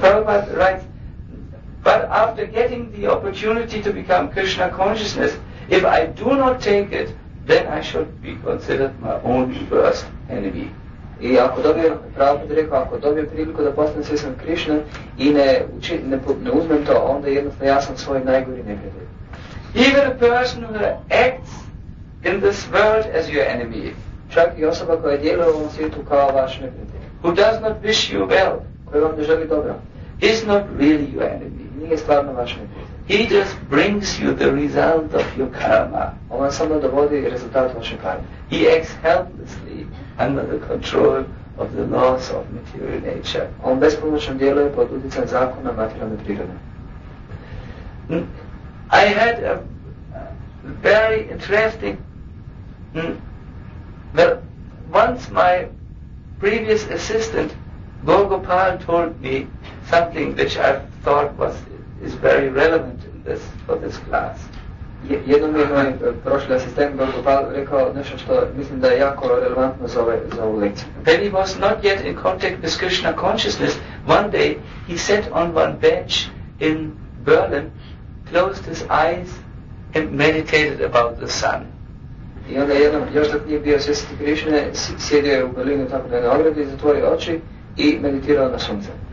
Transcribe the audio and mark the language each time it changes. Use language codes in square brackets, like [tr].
[en] Prabhupada writes, but after getting the opportunity to become Krishna consciousness, if I do not take it, then I should be considered my own worst enemy. [bs] I ako dobijem, Prabhupada rekao, ako dobijem priliku da postanem svjesan Krishna i ne uzmem to, onda jednostavno ja sam svoj najgori neprijatelj. [en] Even a person who acts in this world as your enemy, [bs] čak i osoba koja djeluje u ovom svijetu kao vaš neprijatelj, [en] who does not wish you well, [bs] koji vam ne želi dobro, [en] is not really your enemy, [bs] nije stvarno vaš neprijatelj. [en] He just brings you the result of your karma. [bs] On vam samo dovodi rezultat vaše karme. [en] He acts helplessly under the control of the laws of material nature. [bs] On bespomoćno djeluje pod utjecajem zakona materijalne prirode. [en] I had a very interesting, well, once my previous assistant, Gopal, told me something which I thought is very relevant in this, for this class. [bs] Jedno mi je moj prošli asistent, Gopal, rekao nešto što mislim da je jako relevantno za ovu lekciju. [en] When he was not yet in contact with Krishna consciousness, one day he sat on one bench in Berlin, closed his eyes and meditated about the sun. [bs] I onda jednom, još dok nije bio svjesni Krishne, sjedio je u Berlinu tako na jednoj ogradi, zatvorio oči i meditirao na sunce.